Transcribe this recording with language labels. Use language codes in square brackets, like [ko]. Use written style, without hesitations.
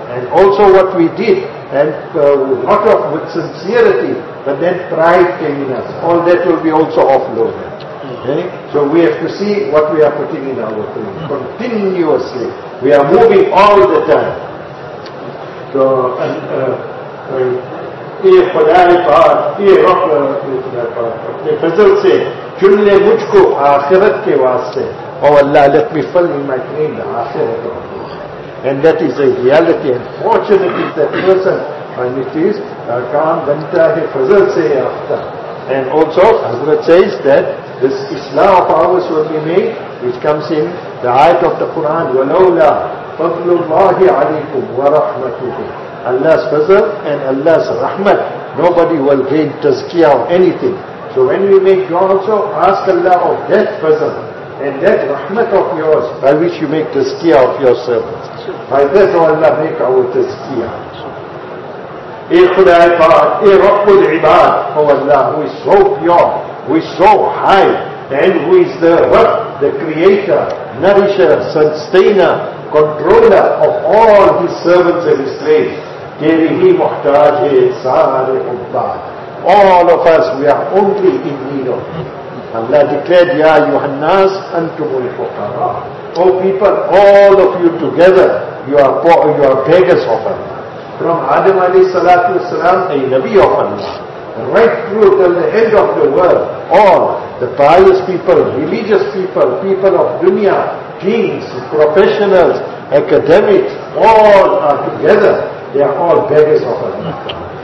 [en] And also what we did, and not of with sincerity, but then pride came in us. All that will be also offloaded. Okay? So we have to see what we are putting in our train continuously. We are moving all the time. So [ur] اے خدائے پاک، اے رب رحمتِ خدائے پاک، اپنے فضل سے چن لے مجھ کو آخرت کے واسطے، [en] او Allah let me fill in my dream the آخرت. And that is a reality. Unfortunately, that person, and it is [ur] kaam banta hai fazal se aata. [en] And also, Hazrat says that this Islam of ours will be made, which comes in the ayat of the Quran, [ar] وَلَوْلَا فَضْلُ اللَّهِ عَلَيْكُمْ وَرَحْمَتُهُ. [en] Allah's fazal and Allah's rahmat, nobody will gain tazkiyah or anything. So when we make dua also, ask Allah of that fazal and that rahmat of yours, by which you make tazkiyah of yourself. By that Allah make our tazkiyah. [ur] اے خدای پاک، اے رب العباد، [en] او Allah, who is so pure, who is so high, and who is the رب، the creator, nourisher, sustainer, controller of all his servants and his slaves. [ur] تیری ہی محتاج ہے سارے عباد. [en] All of us, we are only in need of you. Allah declared, [ar] یا ایوہ الناس انتم الفقراء. [en] O people, all of you together, you are beggars of Allah. From Adam alayhi salatu wasalam, a Nabi of Allah, right through till the end of the world, all the pious people, religious people, people of dunya, kings, professionals, academics, all are together, they are all beggars of Allah.